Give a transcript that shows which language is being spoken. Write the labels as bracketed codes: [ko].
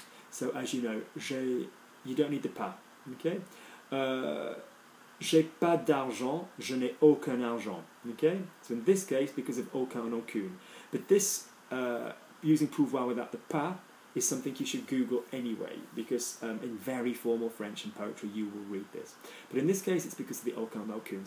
[en] So as you know, you don't need the pas, okay? [fr] J'ai pas d'argent, je n'ai aucun argent, [en] okay? So in this case, because of aucun and aucune. But this, using pouvoir without the pas, is something you should Google anyway, because in very formal French and poetry you will read this. But in this case, it's because of the aucun, aucun.